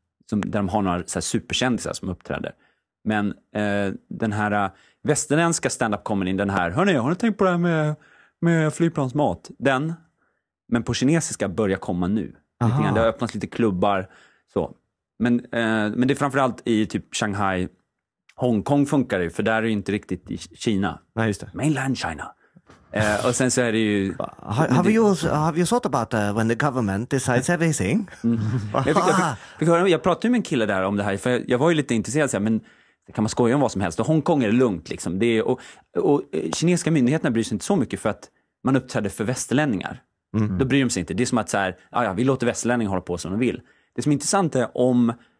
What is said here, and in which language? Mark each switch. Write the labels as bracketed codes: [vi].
[sv] Där de har några så här superkändisar som uppträder. Men den här västerländska stand-up kommer in, den här, hörni, har ni tänkt på det här med flygplansmat? Den. Men på kinesiska börjar komma nu. Det har öppnats lite klubbar. Så. Men det är framförallt i typ Shanghai. Hongkong funkar ju, för där är det ju inte riktigt i Kina. Nej, just det. Mainland China. Och sen så är det ju... [en] Have you thought about when the government decides everything? [sv] Jag pratade ju med en kille där om det här, för jag var ju lite intresserad. Så här, men kan man skoja om vad som helst? Och Hongkong är lugnt liksom. Det är, och kinesiska myndigheterna bryr sig inte så mycket för att man uppträder för västerlänningar. Mm. Då bryr de sig inte. Det är som att så här, vi låter västerlänningar hålla på som de vill. Det som är intressant är om...